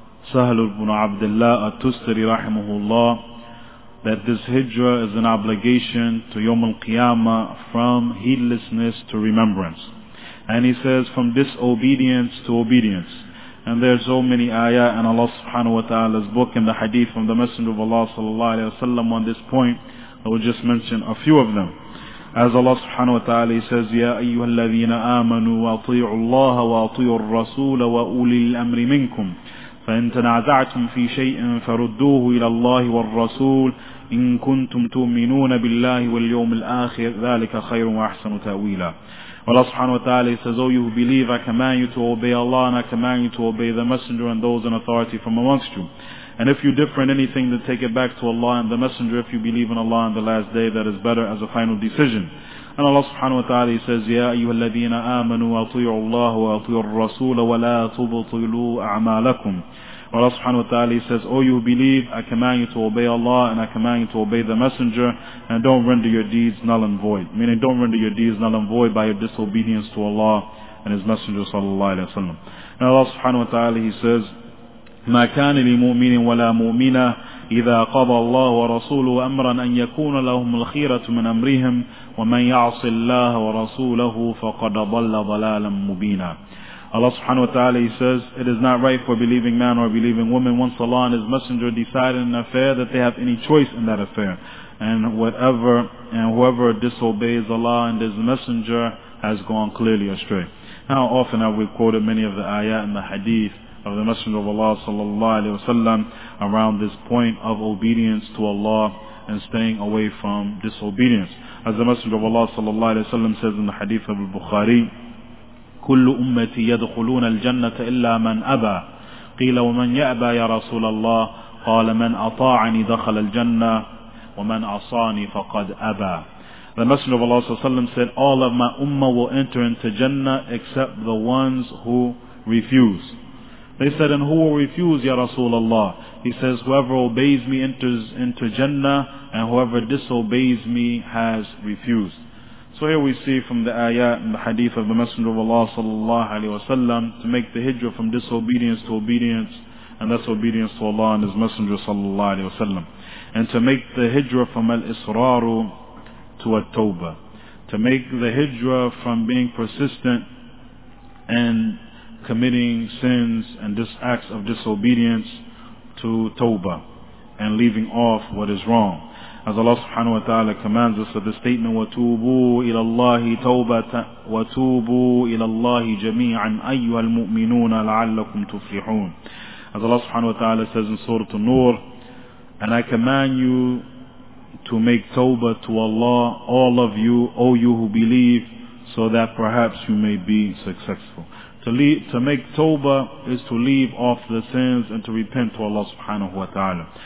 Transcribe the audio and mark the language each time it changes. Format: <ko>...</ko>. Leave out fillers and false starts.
<en>Sahal ibn Abdullah At-Tustari rahimahullah, that this hijrah is an obligation to Yawm al-Qiyamah from heedlessness to remembrance. And he says, from disobedience to obedience. And there are so many ayah in Allah subhanahu wa ta'ala's book and the hadith from the Messenger of Allah sallallahu alayhi wa sallam on this point. I will just mention a few of them. As Allah subhanahu wa ta'ala says,</en> <ar>يَا أَيُّهَا الَّذِينَ آمَنُوا وَأَطِيعُوا اللَّهَ وَأَطِيعُوا الرَّسُولَ وَأُولِي الْأَمْرِ مِنْكُمْ فَإِنْ تَنَعْزَعْتُمْ فِي شَيْءٍ فَرُدُّوهُ إِلَى اللَّهِ وَالرَّسُولِ إِن كُنْتُمْ تُؤْمِنُونَ بِاللَّهِ وَالْيَوْمِ الْآخِرِ ذَلِكَ خَيْرٌ وَأَحْسَنُ تَأْوِيلًا.</ar> <en>Allah subhanahu wa ta'ala says, O you who believe, I command you to obey Allah and I command you to obey the Messenger and those in authority from amongst you. And if you differ in anything, then take it back to Allah and the Messenger. If you believe in Allah and the last day, that is better as a final decision. And Allah subhanahu wa ta'ala says,</en> <ar>يَا أَيُّهَا الَّذِينَ آمَنُوا وَأَطِيعُوا اللَّهُ وَأَطِيعُوا الرَّسُولَ وَلَا تُبْطِلُوا أَعْمَالَكُمْ.</ar> <en>Allah subhanahu wa ta'ala says, O you who believe, I command you to obey Allah and I command you to obey the Messenger and don't render your deeds null and void. Meaning don't render your deeds null and void by your disobedience to Allah and His Messenger sallallahu alayhi wa sallam. And Allah subhanahu wa ta'ala, He says,</en> <ar>مَا كَانِ لِمُؤْمِنٍ وَلَا مُؤْمِنَةٍ إِذَا قَضَى اللَّهُ وَرَسُولُهُ أَمْرًا أَنْ يَكُونَ لَهُمُ الْخِيرَةُ مِنْ أَمْرِهِمْ وَمَنْ يَعْصِ اللَّهَ وَرَسُولَهُ فَقَدْ ضَلَّ ضَلَالًا مُبِينًا.</ar> <en>Allah subhanahu wa ta'ala, He says, it is not right for a believing man or a believing woman, once Allah and His Messenger decide in an affair, that they have any choice in that affair. And whatever and whoever disobeys Allah and His Messenger has gone clearly astray. How often have we quoted many of the ayat and the hadith of the Messenger of Allah sallallahu alayhi wa sallam around this point of obedience to Allah and staying away from disobedience. As the Messenger of Allah sallallahu alayhi wa sallam says in the hadith of al-Bukhari,</en> <ar>كل أمتي يدخلون الجنة إلا من أبى. قيل ومن يأبى يا رسول الله؟ قال من أطاعني دخل الجنة ومن عصاني فقد أبى.</ar> <en>The Messenger of Allah sallallahu alayhi wa sallam said, all of my ummah will enter into Jannah except the ones who refuse. They said, and who will refuse, Ya Rasulullah? He says, whoever obeys me enters into Jannah, and whoever disobeys me has refused. So here we see from the ayat and the hadith of the Messenger of Allah sallallahu alayhi wa sallam to make the hijrah from disobedience to obedience, and that's obedience to Allah and His Messenger sallallahu alayhi wa sallam. And to make the hijrah from al-israru to at-tawbah. To make the hijrah from being persistent and committing sins and acts of disobedience to tawbah and leaving off what is wrong. As Allah subhanahu wa ta'ala commands us with the statement,</en> <ar>وَتُوبُوا إِلَى اللَّهِ تَوْبَةً وَتُوبُوا إِلَى اللَّهِ جَمِيعًا أَيُّهَا الْمُؤْمِنُونَ لَعَلَّكُمْ تُفْلِحُونَ.</ar> <en>As Allah subhanahu wa ta'ala says in Surah An-Nur, and I command you to make tawbah to Allah, all of you, O you who believe, so that perhaps you may be successful. To make tawbah is to leave off the sins and to repent to Allah subhanahu wa ta'ala.</en>